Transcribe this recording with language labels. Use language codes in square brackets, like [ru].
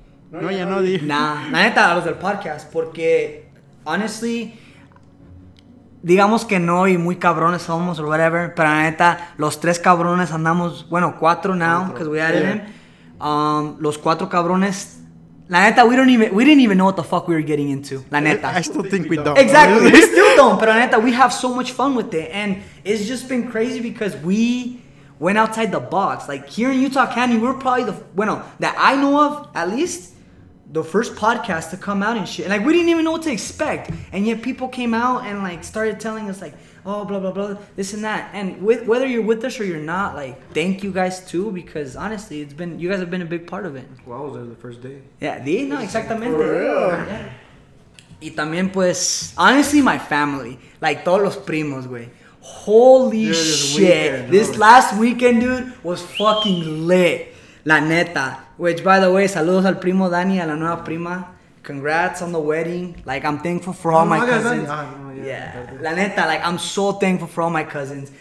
[es] No, ya no dije. Nah, la neta a los del podcast, porque. Honestly, digamos que no y muy cabrones somos [en] or whatever, [es] pero la neta, los tres cabrones andamos, bueno, cuatro [en] now, because we added him. [es] Los cuatro cabrones, La neta, [en] we didn't even know what the fuck we were getting into. [es] La neta. [en] I still think we don't. Exactly. We still don't. But [es] la neta, [en] we have so much fun with it. And it's just been crazy because we went outside the box. Like, here in Utah County, we're probably that I know of, at least, the first podcast to come out and shit. And, like, we didn't even know what to expect. And yet people came out and, like, started telling us, like, oh, blah, blah, blah, this and that. And whether you're with us or you're not, like, thank you guys, too, because, honestly, it's been, you guys have been a big part of it. Well, I was there the first day. Yeah, no, exactamente. For real. Yeah. [es] Y también, pues, [en] honestly, my family. Like, [es] todos los primos, güey. [en] Holy shit. Last weekend, dude, was fucking lit. [es] La neta. [en] Which, by the way, [es] saludos al primo Dani, a la nueva prima. [en] Congrats on the wedding. Like, I'm thankful for all my cousins. [es] La neta, [en] like, I'm so thankful for all my cousins.